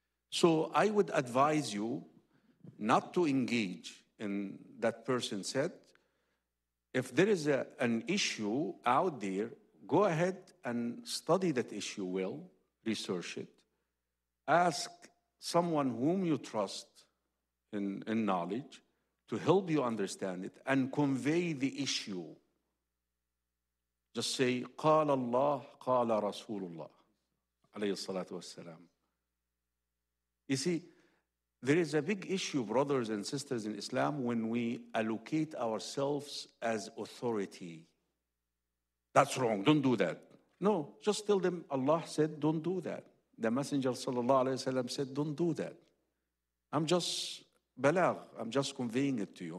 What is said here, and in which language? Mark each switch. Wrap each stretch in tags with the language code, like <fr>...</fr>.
<en>So I would advise you not to engage and that person said, if there is an issue out there, go ahead and study that issue well, research it. Ask someone whom you trust in knowledge to help you understand it and convey the issue. Just say,</en> <ar>قال الله قال رسول الله عليه الصلاة والسلام.</ar> <en>You see, there is a big issue, brothers and sisters in Islam, when we allocate ourselves as authority. That's wrong, don't do that. No, just tell them, Allah said, don't do that. The Messenger sallallahu alayhi wa sallam said, don't do that. I'm just balagh, I'm just conveying it to you.</en>